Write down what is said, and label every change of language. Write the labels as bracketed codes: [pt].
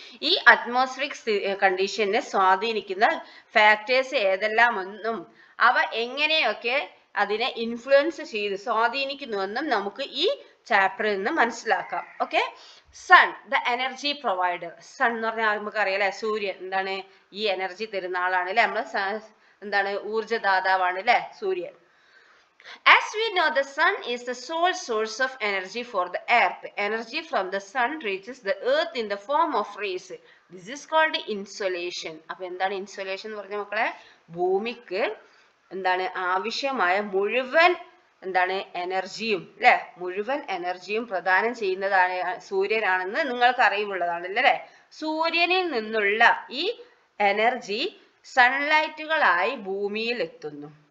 [ml] ഈ അറ്റ്മോസ്ഫിയറിക് കണ്ടീഷനെ സ്വാധീനിക്കുന്ന ഫാക്ടേഴ്സ് ഏതെല്ലാമെന്നും അവ എങ്ങനെയൊക്കെ അതിനെ ഇൻഫ്ലുവൻസ് ചെയ്ത് സ്വാധീനിക്കുന്നുവെന്നും നമുക്ക് ഈ ചാപ്റ്ററിൽ നിന്ന് മനസ്സിലാക്കാം. Okay, [en] Sun the energy provider. [ml] Sun എന്ന് പറഞ്ഞാൽ നമുക്ക് അറിയാം അല്ലെ, സൂര്യൻ എന്താണ് ഈ എനർജി തരുന്ന ആളാണ് അല്ലെ, നമ്മള് എന്താണ് ഊർജ്ജദാതാവാണ് അല്ലെ സൂര്യൻ. [en] As we know, the sun is the sole source of energy for the earth. Energy from the sun reaches the earth in the form of rays. This is called insolation. [ml] അപ്പൊ എന്താണ് insolation എന്ന് പറഞ്ഞ മക്കളെ, ഭൂമിക്ക് എന്താണ് ആവശ്യമായ മുഴുവൻ എന്താണ് എനർജിയും അല്ലെ, മുഴുവൻ എനർജിയും പ്രദാനം ചെയ്യുന്നതാണ് സൂര്യനാണെന്ന് നിങ്ങൾക്ക് അറിയുള്ളതാണ് അല്ലേ. സൂര്യനിൽ നിന്നുള്ള ഈ എനർജി സൺലൈറ്റുകളായി ഭൂമിയിൽ എത്തുന്നു.